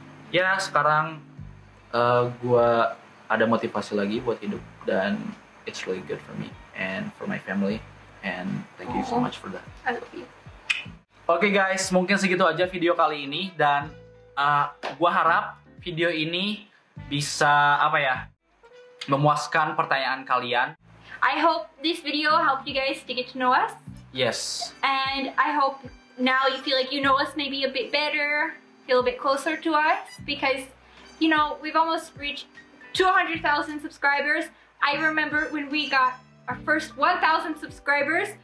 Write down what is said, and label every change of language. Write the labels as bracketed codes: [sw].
[id] Ya sekarang gue ada motivasi lagi buat hidup dan it's really good for me and for my family. [en] And thank you so much for that. I love you. [id] Okay guys, mungkin segitu aja video kali ini dan gue harap video ini bisa apa ya, memuaskan pertanyaan kalian. [en] I hope this video helped you guys to get to know us. Yes. And I hope now you feel like you know us maybe a bit better, feel a bit closer to us, because you know we've almost reached 200,000 subscribers. I remember when we got our first 1,000 subscribers.